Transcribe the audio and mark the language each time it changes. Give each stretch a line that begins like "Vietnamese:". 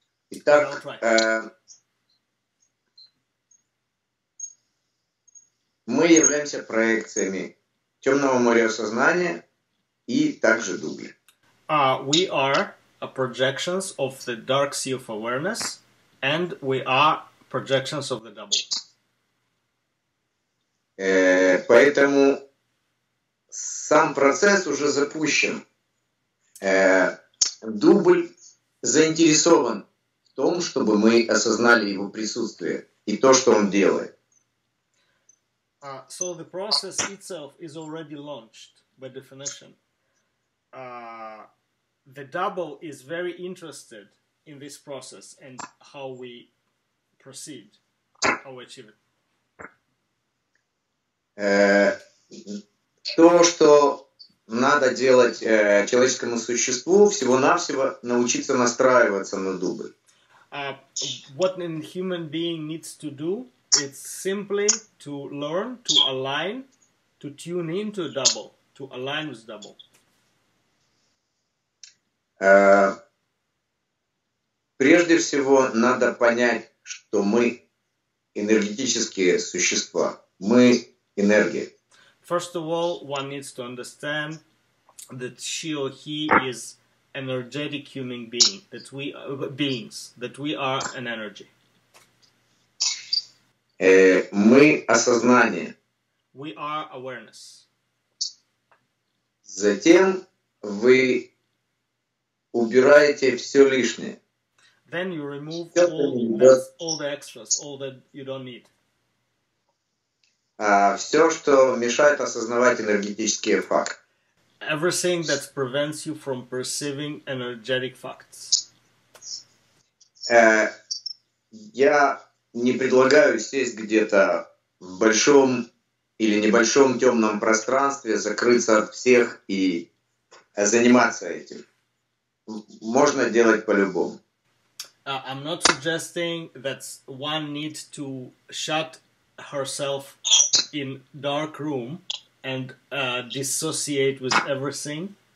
Russian: Итак, мы являемся проекциями темного моря сознания и также дубли.
English: We are a projections of the dark sea of awareness, and we are projections of the double.
Russian: Поэтому сам процесс уже запущен. Дубль заинтересован в том, чтобы мы осознали его присутствие и то, что он делает.
English: So the process itself is already launched by definition. The double is very interested in this process and how we proceed, how we achieve it.
Russian: То, что надо делать человеческому существу, всего-навсего научиться настраиваться на дубль.
English: What a human being needs to do, it's simply to learn, to align, to tune into a double, to align with double.
Russian: Прежде всего, надо понять, что мы энергетические существа, мы энергия.
English: First of all, one needs to understand that she or he is energetic human being, that we are beings, that we are an energy.
Russian: Мы осознание.
English: We are awareness.
Russian: Затем вы убираете все лишнее.
English: Then you remove all the extras, all that you don't need.
Russian: Все, что мешает осознавать энергетические факты.
English: Everything that prevents you from perceiving energetic facts.
Russian: Я не предлагаю сесть где-то в большом или небольшом темном пространстве, закрыться от всех и заниматься этим. Можно делать по-любому.
English: I'm not suggesting that one needs to shut herself in dark room and dissociate with everything.